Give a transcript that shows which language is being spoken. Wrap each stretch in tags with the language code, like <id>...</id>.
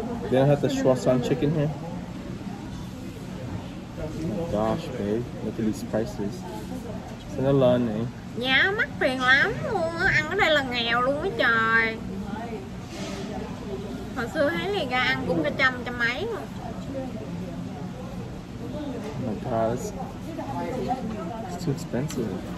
<en>They don't have the croissant chicken here. Gosh, babe, look at these prices.</en> <vi>Xin nó lên nè. Giá mắc tiền lắm luôn, ăn ở đây là nghèo luôn á trời. Hồi xưa thấy này ra ăn cũng cả trăm trăm mấy mà.</vi> <en>Oh my god, it's too expensive.</en>